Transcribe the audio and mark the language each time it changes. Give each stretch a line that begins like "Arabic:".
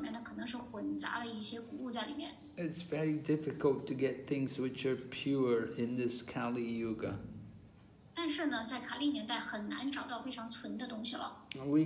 Chinese: 那么就有一些这个佐料，我们是不建议在艾卡达西的时候用的，因为这些佐料里面呢，可能是混杂了一些谷物在里面。
English: It's very difficult to get things which are pure in this Kali Yuga.
Chinese: 但是呢，在卡利年代很难找到非常纯的东西了。
English: We